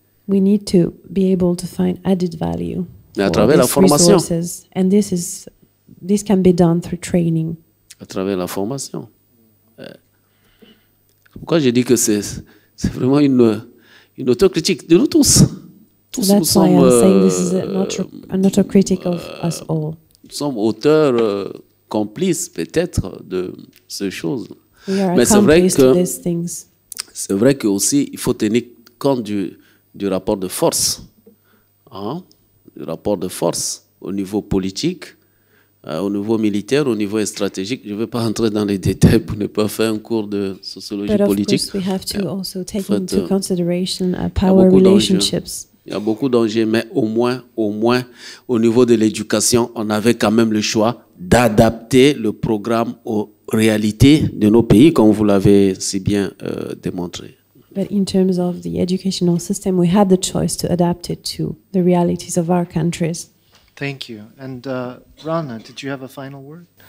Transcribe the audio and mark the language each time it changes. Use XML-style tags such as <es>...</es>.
<en>We need to be able to find added value.</en> <fr>Mais à travers la formation.</fr> <en>Resources. And this can be done through training.</en> <fr>À travers la formation. Pourquoi j'ai dit que c'est vraiment une autocritique de nous tous. Tous</fr> <en>so that's</en> <fr>nous sommes,</fr> <en>why I'm saying this is an autocritic of us all.</en> <fr>Nous sommes auteurs complices peut-être de ces choses. Mais c'est vrai que aussi il faut tenir compte du rapport de force, hein, du rapport de force au niveau politique, au niveau militaire, au niveau stratégique. Je ne vais pas entrer dans les détails pour ne pas faire un cours de sociologie politique.</fr> <en>But of course, we have to also take into consideration power relationships.</en> <fr>Il y a beaucoup d'enjeux, mais au moins, au niveau de l'éducation, on avait quand même le choix d'adapter le programme aux réalités de nos pays, comme vous l'avez si bien démontré.</fr> <en>But in terms of the educational system, we had the choice to adapt it to the realities of our countries. Thank you. And Rana, did you have a final word?</en>